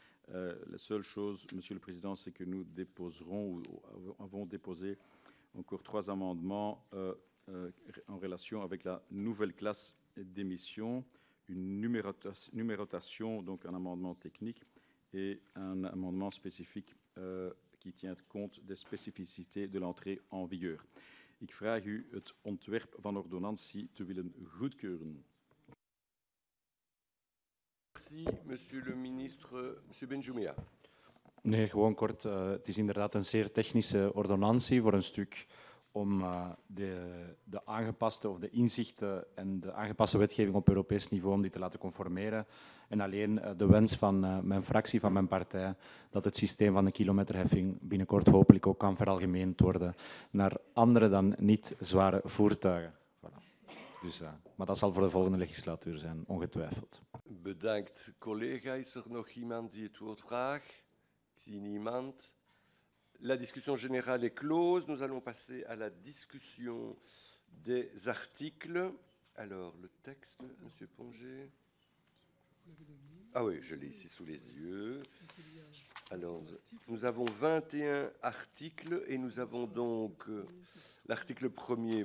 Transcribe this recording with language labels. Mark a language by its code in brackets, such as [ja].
[fr] La seule chose, Monsieur le Président, c'est que nous déposerons ou avons déposé encore 3 amendements en relation avec la nouvelle classe d'émission, une numérotation, donc un amendement technique et un amendement spécifique qui tient compte des spécificités de l'entrée en vigueur. [nl] Ik vraag u het ontwerp van ordonnantie te willen goedkeuren. [fr] Merci, monsieur le ministre. Monsieur Benjoumia. [nl] Nee, gewoon kort. Het is inderdaad een zeer technische ordonnantie voor een stuk om de aangepaste of de inzichten en de aangepaste wetgeving op Europees niveau om die te laten conformeren. En alleen de wens van mijn fractie, van mijn partij, dat het systeem van de kilometerheffing binnenkort hopelijk ook kan veralgemeend worden naar andere dan niet zware voertuigen. Voilà. Maar dat zal voor de volgende legislatuur zijn, ongetwijfeld. Bedankt. Collega, is er nog iemand die het woord vraagt? Ik zie niemand. [fr] La discussion générale est close. Nous allons passer à la discussion des articles. Alors, le texte, Monsieur Pongé. Ah oui, je l'ai ici sous les yeux. Alors, nous avons 21 articles et nous avons donc l'article premier.